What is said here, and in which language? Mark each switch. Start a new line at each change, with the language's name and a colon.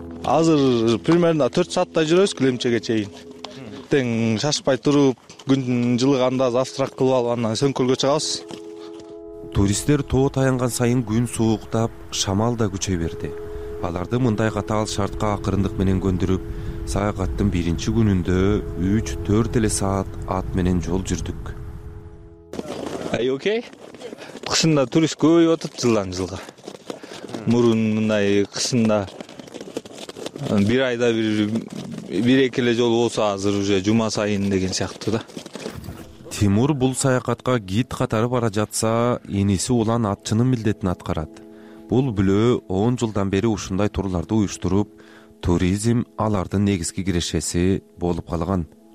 Kyrgyz: Азыр примерно 4 сааттай жүрөбүз Климчеге чейин. Тең шашпай туруп, күн жылыганда завтрак кылып алып, андан Сөңкөлгө чыгабыз. Туристтер тоо таянган сайын күн сууктап, шамал да күчөй берди. Аларды мындай катаал шартка акырындык менен көндүрүп, саякаттын биринчи күнүндө 3-4 эле саат ат менен жол жүрдүк.
English: Are you okay?
Kyrgyz: Кысында турист көбөйүп атат жылдан жылга. Мурун мындай кысында бир айда бир эки эле жол болсо, азыр уже жума сайын деген сыяктуу да. Тимур бул саякатка гид катары бара жатса, иниси улан атчынын милдетин аткарат. Бул бүлөө 10 жылдан бери ушундай турларды уюштуруп, туризм алардын негизги кирешеси болуп калган.